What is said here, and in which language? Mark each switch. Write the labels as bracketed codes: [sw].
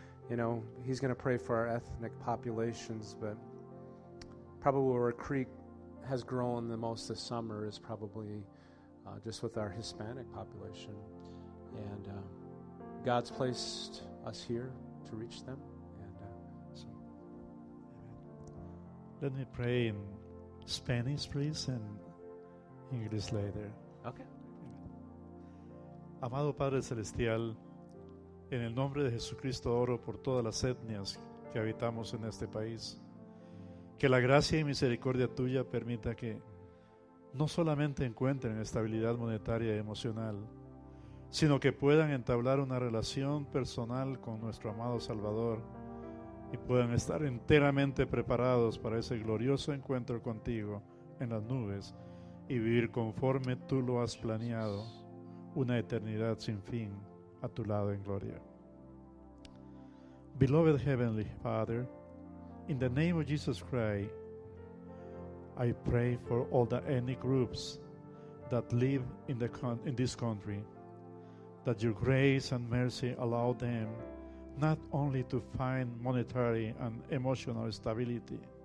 [en] You know, he's going to pray for our ethnic populations, but probably where Creek has grown the most this summer is probably just with our Hispanic population. And God's placed us here to reach them. And so. Let me pray in Spanish, please, and English later. Okay. [es] Amado Padre Celestial, en el nombre de Jesucristo oro por todas las etnias que habitamos en este país. Que la gracia y misericordia tuya permita que no solamente encuentren estabilidad monetaria y emocional, sino que puedan entablar una relación personal con nuestro amado Salvador y puedan estar enteramente preparados para ese glorioso encuentro contigo en las nubes y vivir conforme tú lo has planeado, una eternidad sin fin a tu lado en gloria. [en] Beloved Heavenly Father, in the name of Jesus Christ, I pray for all the ethnic groups that live in this country, that your grace and mercy allow them not only to find monetary and emotional stability,